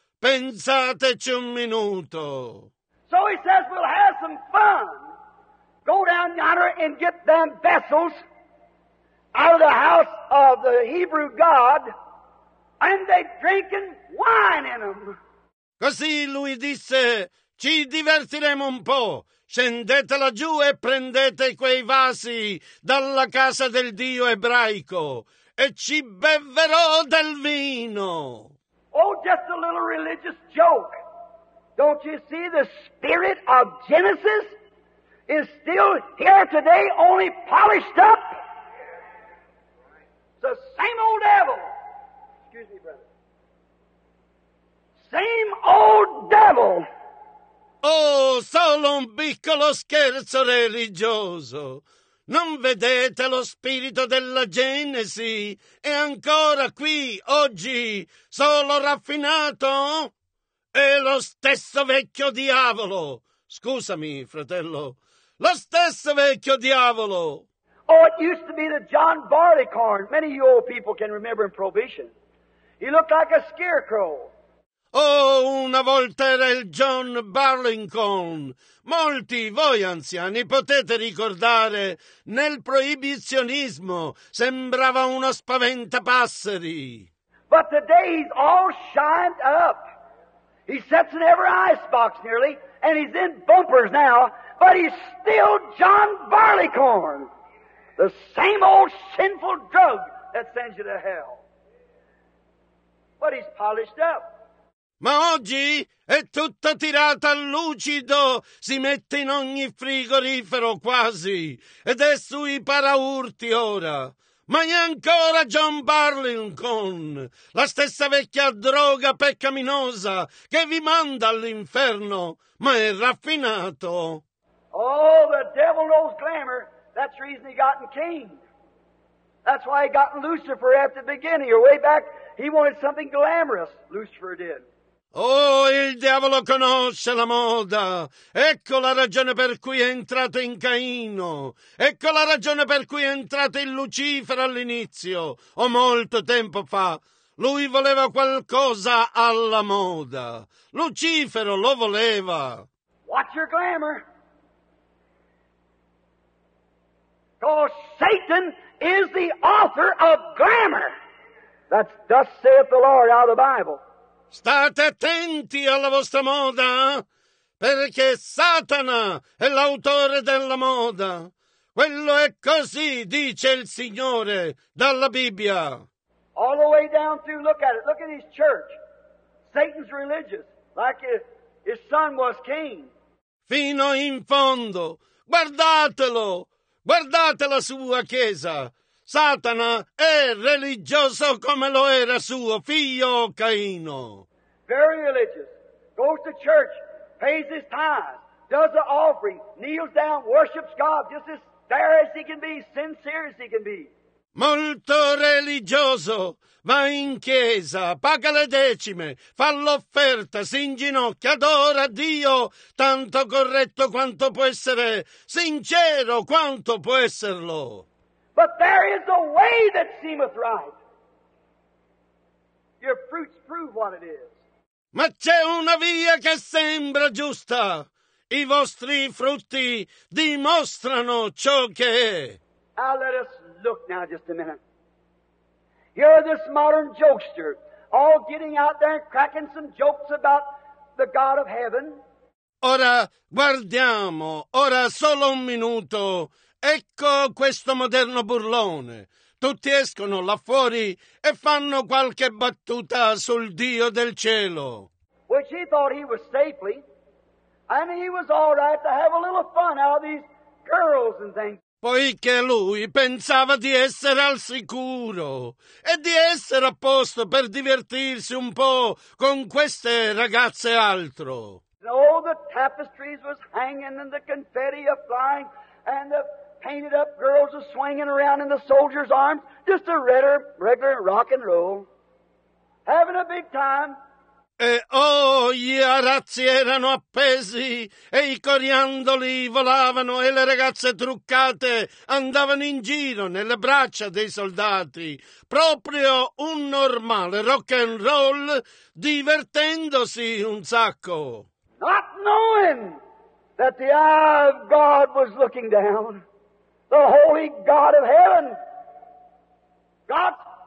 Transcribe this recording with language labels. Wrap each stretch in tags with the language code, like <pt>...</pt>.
<it>Pensateci un minuto.</it> <en>So he says we'll have some fun. Go down yonder and get them vessels out of the house of the Hebrew God, and they drinking wine in them.</en> <it>Così lui disse, ci divertiremo un po'. Scendete laggiù e prendete quei vasi dalla casa del Dio ebraico e ci beverò del vino.</it> <en>Oh, just a little religious joke. Don't you see the spirit of Genesis is still here today, only polished up? It's the same old devil. Excuse me, brother. Same old devil.</en> <it>Oh, solo un piccolo scherzo religioso. Non vedete lo spirito della Genesi? È ancora qui, oggi, solo raffinato? È lo stesso vecchio diavolo. Scusami, fratello. Lo stesso vecchio diavolo.</it> <en>Oh, it used to be the John Barleycorn. Many of you old people can remember in Prohibition. He looked like a scarecrow.</en> <it>Oh, una volta era il John Barleycorn. Molti voi anziani potete ricordare, nel proibizionismo sembrava uno spaventapasseri.</it> <en>But today he's all shined up. He sits in every icebox nearly, and he's in bumpers now, but he's still John Barleycorn. The same old sinful drug that sends you to hell. But he's polished up.</en> <it>Ma oggi è tutto tirato al lucido, si mette in ogni frigorifero quasi, ed è sui paraurti ora. Ma è ancora John Barleycorn, la stessa vecchia droga peccaminosa che vi manda all'inferno, ma è raffinato.</it> <en>Oh, the devil knows glamour, that's the reason he gotten king. That's why he gotten Lucifer at the beginning, or way back, he wanted something glamorous, Lucifer did.</en> <it>Oh, il diavolo conosce la moda. Ecco la ragione per cui è entrato in Caino. Ecco la ragione per cui è entrato in Lucifero all'inizio, o molto tempo fa. Lui voleva qualcosa alla moda. Lucifero lo voleva.</it> <en>Watch your glamour. Because Satan is the author of glamour. That's thus saith the Lord out of the Bible.</en> <it>State attenti alla vostra moda, perché Satana è l'autore della moda. Quello è così, dice il Signore, dalla Bibbia.</it> <en>All the way down through, look at it, look at his church. Satan's religious, like his son was king.</en> <it>Fino in fondo, guardatelo, guardate la sua chiesa. Satana è religioso come lo era suo figlio Caino.</it> <en>Very religious. Goes to church, pays his tithes, does the offering, kneels down, worships God, just as there as he can be, sincere as he can be.</en> <it>Molto religioso. Va in chiesa, paga le decime, fa l'offerta, si inginocchia, adora Dio, tanto corretto quanto può essere, sincero quanto può esserlo.</it> <en>But there is a way that seemeth right. Your fruits prove what it is.</en> <it>Ma c'è una via che sembra giusta. I vostri frutti dimostrano ciò che è.</it> <en>Now let us look now just a minute. Here this modern jokester, all getting out there and cracking some jokes about the God of heaven.</en> <it>Ora guardiamo, ora solo un minuto. Ecco questo moderno burlone. Tutti escono là fuori e fanno qualche battuta sul Dio del cielo.</it> <en>Which he thought he was safely, and he was all right to have a little fun out of these girls and things.</en> <it>Poiché lui pensava di essere al sicuro e di essere a posto per divertirsi un po' con queste ragazze altro.</it> <en>And all the tapestries was hanging and the confetti a flying and the painted up girls were swinging around in the soldiers' arms, just a regular rock and roll, having a big time.</en> <it>E oh, gli arazzi erano appesi e i coriandoli volavano e le ragazze truccate andavano in giro nelle braccia dei soldati, proprio un normale rock and roll, divertendosi un sacco.</it> <en>Not knowing that the eye of God was looking down, the holy God of heaven, God's</en>